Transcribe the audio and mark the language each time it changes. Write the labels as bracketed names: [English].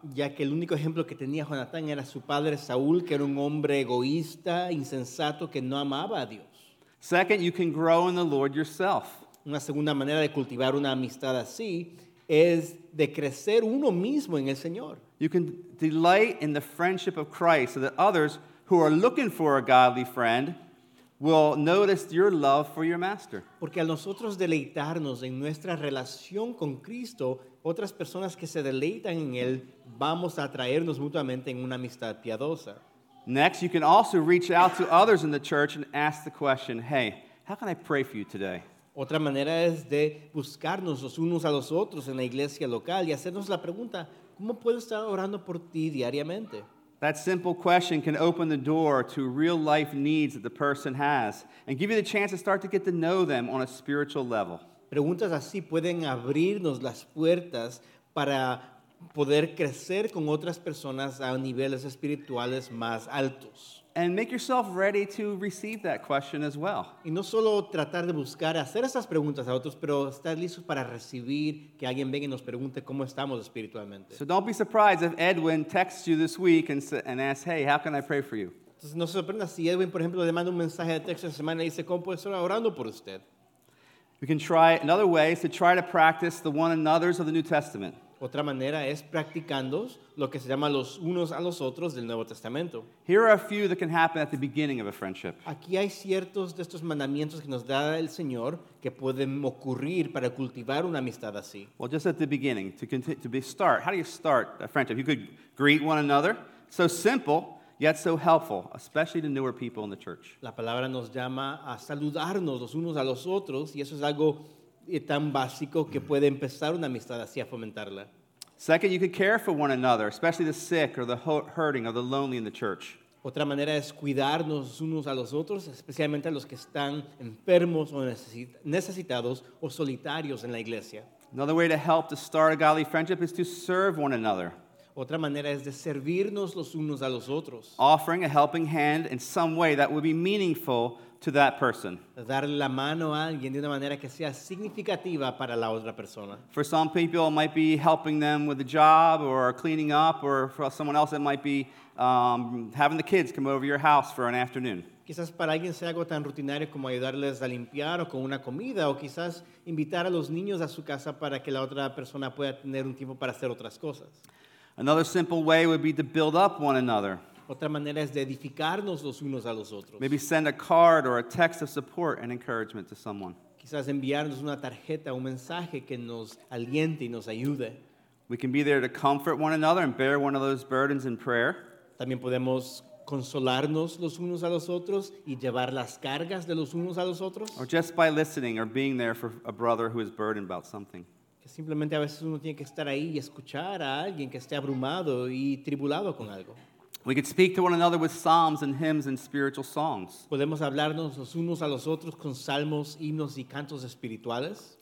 [Spanish] Ya que el único ejemplo que tenía Jonathan era su padre Saúl, que era un hombre egoísta, insensato, que no amaba a Dios. [English] Second, you can grow in the Lord yourself. [Spanish] Una segunda manera de cultivar una amistad así es de crecer uno mismo en el Señor. [English] You can delight in the friendship of Christ so that others who are looking for a godly friend will notice your love for your master. [Spanish] Porque al nosotros deleitarnos en nuestra relación con Cristo, otras personas que se deleitan en él, vamos a atraernos mutuamente en una amistad piadosa. [English] Next, you can also reach out to others in the church and ask the question, hey, how can I pray for you today? [Spanish] Otra manera es de buscarnos los unos a los otros en la iglesia local y hacernos la pregunta, ¿cómo puedo estar orando por ti diariamente? [English] That simple question can open the door to real life needs that the person has and give you the chance to start to get to know them on a spiritual level. [Spanish] Preguntas así pueden abrirnos las puertas para poder crecer con otras personas a niveles espirituales más altos. [English] And make yourself ready to receive that question as well. [Spanish] Y no solo tratar de buscar hacer esas preguntas a otros, pero estar listos para recibir que alguien venga y nos pregunte cómo estamos espiritualmente. [English] So don't be surprised if Edwin texts you this week and asks, hey, how can I pray for you? [Spanish] Entonces no se sorprenda si Edwin, por ejemplo, le manda un mensaje de texto esta semana y dice, ¿cómo puedo estar orando por usted? [English] We can try another way is to try to practice the one another's of the New Testament. [Spanish] Otra manera es practicando lo que se llama los unos a los otros del Nuevo Testamento. [English] Here are a few that can happen at the beginning of a friendship. [Spanish] Aquí hay ciertos de estos mandamientos que nos da el Señor que pueden ocurrir para cultivar una amistad así. [English] Well, just at the beginning, to start. How do you start a friendship? You could greet one another. So simple, yet so helpful, especially to newer people in the church. [Spanish] La palabra nos llama a saludarnos los unos a los otros y eso es algo y tan básico que puede empezar una amistad así a fomentarla. [English] Second, you could care for one another, especially the sick or the hurting or the lonely in the church. [Spanish] Otra manera es cuidarnos unos a los otros, especialmente a los que están enfermos o necesitados o solitarios en la iglesia. [English] Another way to help to start a godly friendship is to serve one another. [Spanish] Otra manera es de servirnos los unos a los otros. [English] Offering a helping hand in some way that would be meaningful to that person. [Spanish] Dar la mano a alguien de una manera que sea significativa para la otra persona. [English] For some people, it might be helping them with a job or cleaning up, or for someone else, it might be having the kids come over your house for an afternoon. [Spanish] Quizás para alguien sea algo tan rutinario como ayudarles a limpiar o con una comida, o quizás invitar a los niños a su casa para que la otra persona pueda tener un tiempo para hacer otras cosas. [English] Another simple way would be to build up one another. [Spanish] Otra manera es de edificarnos los unos a los otros. [English] Maybe send a card or a text of support and encouragement to someone. [Spanish] Quizás enviarnos una tarjeta, un mensaje que nos aliente y nos ayude. [English] We can be there to comfort one another and bear one of those burdens in prayer. [Spanish] También podemos consolarnos los unos a los otros y llevar las cargas de los unos a los otros. [English] Or just by listening or being there for a brother who is burdened about something. [Spanish] Simplemente a veces uno tiene que estar ahí y escuchar a alguien que esté abrumado y tribulado con algo. [English] We could speak to one another with psalms and hymns and spiritual songs. [Spanish] Podemos hablarnos los unos a los otros con salmos, himnos y cantos espirituales.